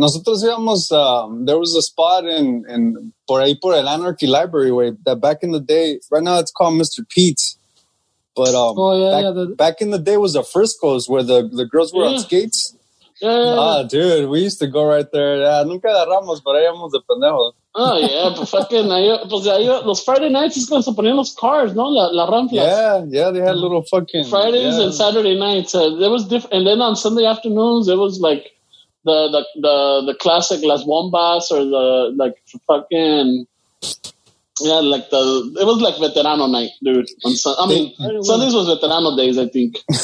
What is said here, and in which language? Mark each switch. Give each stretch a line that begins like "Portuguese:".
Spanish: Nosotros íbamos,
English: there was a spot in
Spanish: por ahí por el
English: Anarchy Library, way that back in the day, right now it's called Mr. Pete's. But back in the day was the Frisco's where the girls were on skates. Yeah. Ah, dude, we used to go right there.
Spanish: Yeah, nunca agarramos, pero íbamos de pendejos. Oh, yeah, los
English: Friday nights
Spanish: es cuando se ponían los cars, ¿no?
English: La rampa. Yeah, they had little fucking... Fridays and Saturday nights. There was different, and then on Sunday afternoons, it was like the classic Las Bombas or the, like, fucking... Yeah, like the... It was like Veterano night, dude. Sundays was Veterano days, I think.